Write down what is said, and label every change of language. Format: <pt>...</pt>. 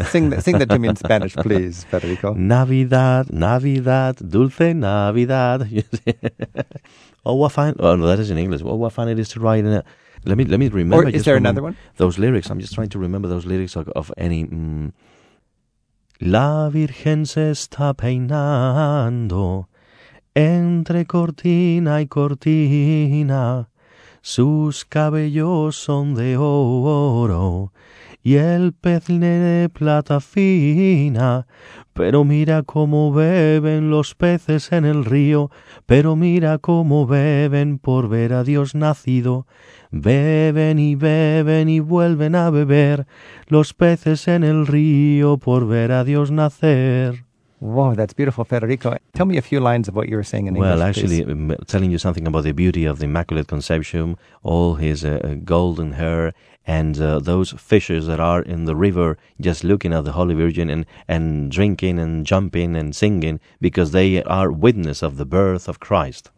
<en>Sing that to me in Spanish, please, Federico.</en> <es>Navidad, dulce Navidad.</es> <en>That is in English. Oh, what fun it is to write in it. Let me remember. Or is there another one? Those lyrics. I'm just trying to remember those lyrics of any.</en> <es>La Virgen se está peinando entre cortina y cortina. Sus cabellos son de oro y el peine de plata fina. Pero mira cómo beben los peces en el río. Pero mira cómo beben por ver a Dios nacido. Beben y beben y vuelven a beber los peces en el río por ver a Dios nacer.</es> <en>Wow, that's beautiful, Federico. Tell me a few lines of what you were saying in English. Well, actually, telling you something about the beauty of the Immaculate Conception, all his golden hair, and those fishes that are in the river just looking at the Holy Virgin and drinking and jumping and singing because they are witness of the birth of Christ.</en>